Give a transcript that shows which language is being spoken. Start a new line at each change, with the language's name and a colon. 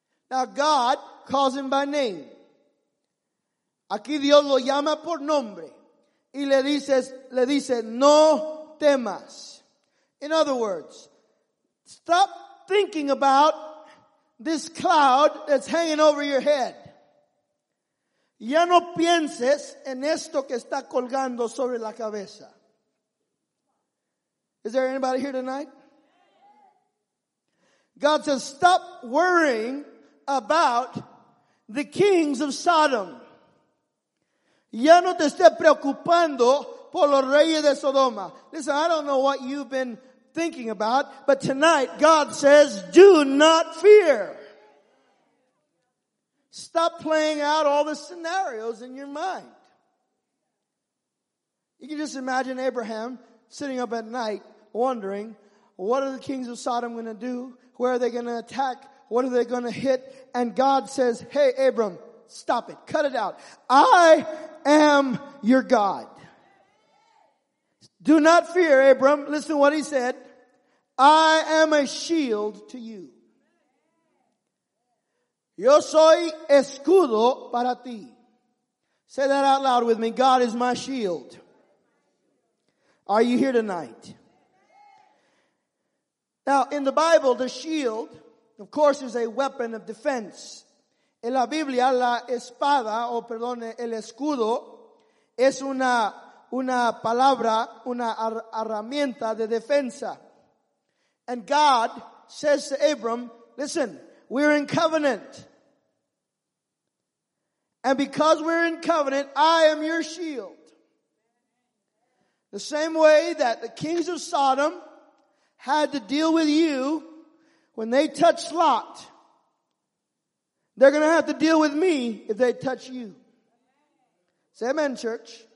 English: Now God calls him by name.
Spanish: Aquí Dios lo llama por nombre. Y le dice, no temas.
English: In other words, stop thinking about this cloud that's hanging over your head.
Spanish: Ya no pienses en esto que está colgando sobre la cabeza.
English: Is there anybody here tonight? God says, stop worrying about the kings of Sodom.
Spanish: Ya no te esté preocupando por los reyes de Sodoma.
English: Listen, I don't know what you've been thinking about, but tonight God says, do not fear. Stop playing out all the scenarios in your mind. You can just imagine Abraham sitting up at night wondering, what are the kings of Sodom going to do? Where are they going to attack? What are they going to hit? And God says, hey, Abram, stop it. Cut it out. I am your God. Do not fear, Abram. Listen to what he said. I am a shield to you.
Spanish: Yo soy escudo para ti.
English: Say that out loud with me. God is my shield. Are you here tonight? Now, in the Bible, the shield, of course, is a weapon of defense.
Spanish: En la Biblia, la espada, el escudo, es una palabra, una herramienta de defensa.
English: And God says to Abram, listen, we're in covenant. And because we're in covenant, I am your shield. The same way that the kings of Sodom had to deal with you when they touched Lot, they're going to have to deal with me if they touch you. Say amen, church.